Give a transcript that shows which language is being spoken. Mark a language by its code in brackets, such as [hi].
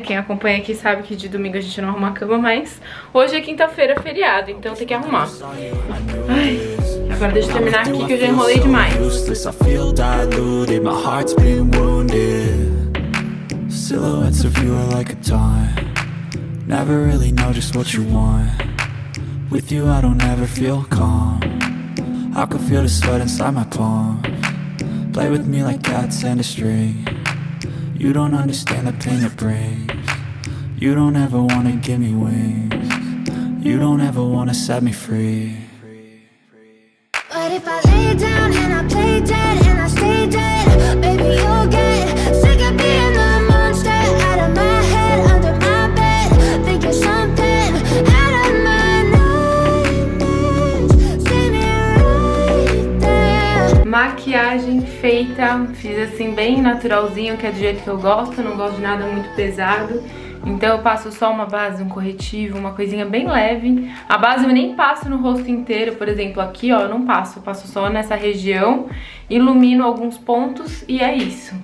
[pt] Quem acompanha aqui sabe que de domingo a gente não arruma a cama, mas hoje é quinta-feira, feriado, então tem que arrumar. Ai... Agora deixa eu terminar aqui que eu já enrolei demais. [en] With you I don't ever feel calm. I can feel the sweat inside my palm. Play with me like cats and a string. You don't understand the pain it brings. You don't ever wanna give me wings. You don't ever wanna set me free. But if I lay down and I play dead and I stay dead, baby, you'll get sick of being the monster out of my head, under my bed, thinking something out of my nightmares, standing right there. [pt] Maquiagem feita, fiz assim bem naturalzinho, que é do jeito que eu gosto, não gosto de nada muito pesado. Então eu passo só uma base, um corretivo, uma coisinha bem leve. A base eu nem passo no rosto inteiro, por exemplo, aqui, ó, eu não passo. Eu passo só nessa região, ilumino alguns pontos e é isso.